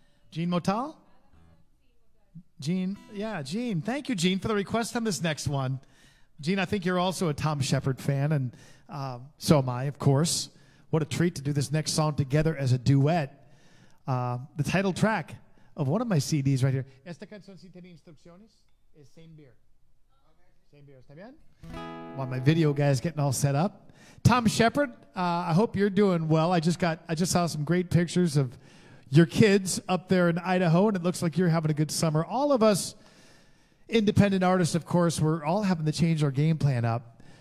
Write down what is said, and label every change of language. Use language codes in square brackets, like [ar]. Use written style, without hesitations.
[en] Jean Motal? Jean, yeah, Jean. Thank you, Jean, for the request on this next one. Gene, I think you're also a Tom Shepherd fan, and so am I, of course. What a treat to do this next song together as a duet. The title track of one of my CDs right here. [es] Esta canción si tiene instrucciones es Same Beer. Same Beer, ¿está bien? [en] While my video guy's getting all set up. Tom Shepherd, I hope you're doing well. I just saw some great pictures of your kids up there in Idaho, and it looks like you're having a good summer. All of us independent artists, of course, we're all having to change our game plan up.